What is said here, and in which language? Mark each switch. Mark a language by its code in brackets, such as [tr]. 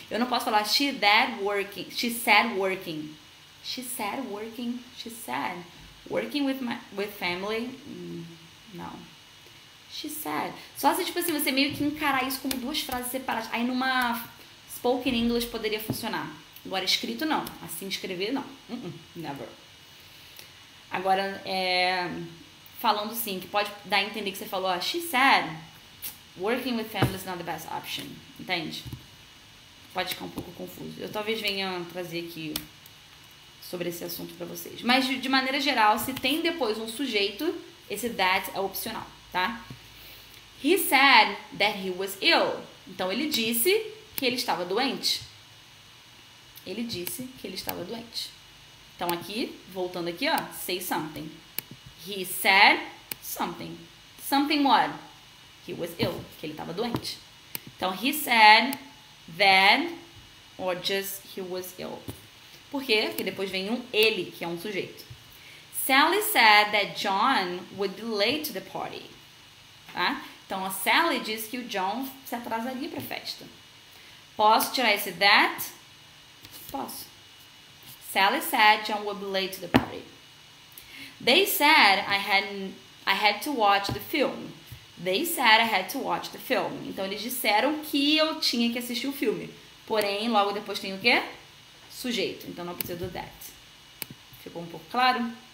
[pt] Eu não posso falar [en] she that working, she said working, she said working, she said working with my with family, não. She said. [pt] Só se, tipo assim, você meio que encarar isso como duas frases separadas. Aí numa spoken English poderia funcionar. Agora escrito, não. Assim escrever, não. Never. Agora, falando sim, que pode dar a entender que você falou, ó, [en] she said, working with family is not the best option. [pt] Entende? Pode ficar um pouco confuso. Eu talvez venha trazer aqui sobre esse assunto pra vocês. Mas, de maneira geral, se tem depois um sujeito, esse that é opcional, tá? [en] He said that he was ill. [pt] Então ele disse que ele estava doente. Ele disse que ele estava doente. Então aqui, voltando aqui, ó, [en] say something. He said something. Something what? He was ill, [pt] que ele estava doente. Então [en] he said that or just he was ill. [pt] Por quê? Porque depois vem um ele, que é um sujeito. [en] Sally said that John would be late to the party. [pt] Tá? Então a Sally disse que o John se atrasaria para a festa. Posso tirar esse that? Posso. [en] Sally said John would be late to the party. They said I had to watch the film. They said I had to watch the film. [pt] Então eles disseram que eu tinha que assistir o filme. Porém, logo depois tem o quê? Sujeito. Então não precisa do that. Ficou um pouco claro?